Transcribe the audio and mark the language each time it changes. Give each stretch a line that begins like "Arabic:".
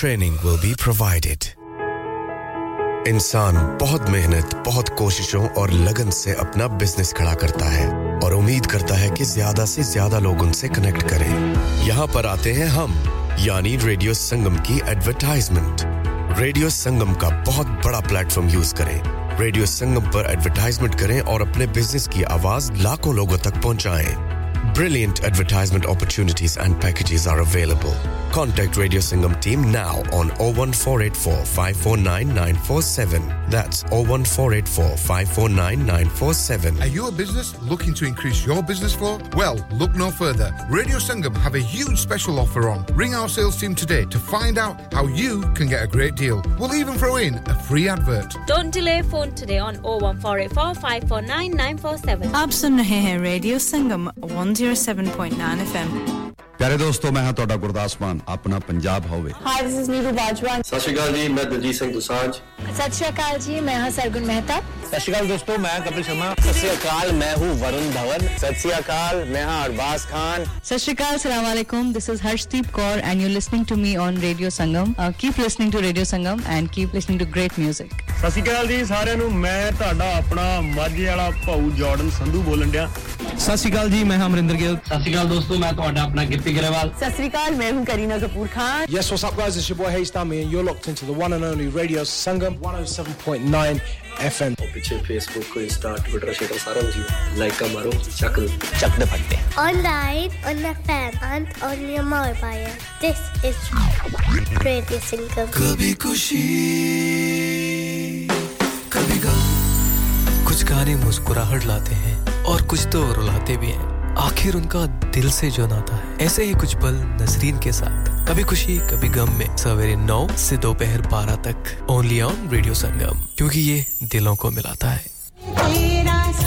English: Training will be provided.
Hindi: इंसान बहुत मेहनत, बहुत कोशिशों और लगन से अपना बिजनेस खड़ा करता है और उम्मीद करता है कि ज्यादा से ज्यादा लोग उनसे कनेक्ट करें. यहां पर आते हैं हम, यानी रेडियो संगम की एडवर्टाइजमेंट. रेडियो संगम का बहुत बड़ा प्लेटफॉर्म यूज करें, रेडियो संगम पर एडवर्टाइजमेंट करें और अपने बिजनेस की आवाज लाखों लोगों तक पहुंचाएं.
English: Brilliant advertisement opportunities and packages are available. Contact Radio Sangam team now on 01484-549-947. That's 01484-549-947. Are you a business looking to increase your business flow? Well, look no further. Radio Sangam have a huge special offer on. Ring our sales team today to find out how you can get a great deal. We'll even throw in a free advert. Don't delay, phone today on 01484-549-947. You're listening to Radio Sangam 107.9 FM.
Punjabi: प्यारे दोस्तों, मैं हां ਤੁਹਾਡਾ ਗੁਰਦਾਸ ਮਾਨ, ਆਪਣਾ ਪੰਜਾਬ ਹੋਵੇ.
English: Hi, this is Neeru Bajwa.
Punjabi: ਸਤਿ ਸ਼੍ਰੀ ਅਕਾਲ ਜੀ, ਮੈਂ ਦਲਜੀਤ ਸਿੰਘ ਦੁਸਾਂਝ. ਸਤਿ ਸ਼੍ਰੀ ਅਕਾਲ ਜੀ, ਮੈਂ ਹਾਂ ਸਰਗੁਣ ਮਹਿਤਾ. ਸਤਿ ਸ਼੍ਰੀ ਅਕਾਲ ਦੋਸਤੋ, ਮੈਂ ਕਪਿਲ ਸ਼ਰਮਾ. ਸਤਿ ਸ਼੍ਰੀ ਅਕਾਲ, ਮੈਂ ਹੂੰ ਵਰੁਣ ਧਵਨ. ਸਤਿ ਸ਼੍ਰੀ ਅਕਾਲ, ਮੈਂ ਹਾਂ ਅਰਬਾਸ ਖਾਨ.
English: ਸਤਿ ਸ਼੍ਰੀ ਅਕਾਲ, ਅਸਲਾਮ ਅਲੈਕੁਮ, this is Harshdeep Kaur and you listening to me on radio Sangam. Keep listening to radio Sangam and keep listening to great 뮤직.
Punjabi: ਸਤਿ ਸ਼੍ਰੀ ਅਕਾਲ ਜੀ ਸਾਰਿਆਂ ਨੂੰ, ਮੈਂ ਤੁਹਾਡਾ ਆਪਣਾ ਮਾਝੇ ਵਾਲਾ ਭਾਉ ਜਾਰਡਨ ਸੰਧੂ ਬੋਲਣ ਡਿਆ. ਸਤਿ ਸ਼੍ਰੀ ਅਕਾਲ ਜੀ, ਮੈਂ ਹਾਂ ਅਮਰਿੰਦਰ ਗਿੱਲ. ਸਤਿ ਸ਼੍ਰੀ ਅਕਾਲ ਦੋਸਤੋ, ਮੈਂ ਤੁਹਾਡਾ ਆਪਣਾ ਗਿੱਪੀ ਗਰੇਵਾਲ. ਸਤਿ ਸ਼੍ਰੀ ਅਕਾਲ, ਮੈਂ ਹੂੰ Kareena Kapoor Khan.
English: Yes, what's up guys, it's your boy ਹੇਈ ਸਟਾਮੀ and you are locked into the one and only radio Sangam 107.9 FM.
Punjabi: ਪਿੱਛੇ ਫੇਸਬੁੱਕ, ਇੰਸਟਾ, ਟਵਿੱਟਰ, ਸ਼ੇਅਰ ਸਾਰਾ ਕੁਝ ਲਾਈਕ ਕਰ ਮਾਰੋ, ਚੱਕ ਚੱਕ ਦੇ ਫੜਦੇ
English: Online on FM and on your mobile. This is radio Sangam.
Hindi: ਕਭੀ ਖੁਸ਼ੀ ਕਭੀ ਗਮ, ਕੁਝ ਗਾਣੇ ਮੁਸਕਰਾਹਟ ਲਾਤੇ ਹੈ और कुछ तो रुलाते भी हैं. आखिर उनका दिल से जो नाता है. ऐसे ही कुछ पल नसरीन के साथ, कभी खुशी कभी गम में, सवेरे 9 से दोपहर 12 तक,
English: only on
Hindi: Radio Sangam, क्योंकि ये दिलों को मिलाता है.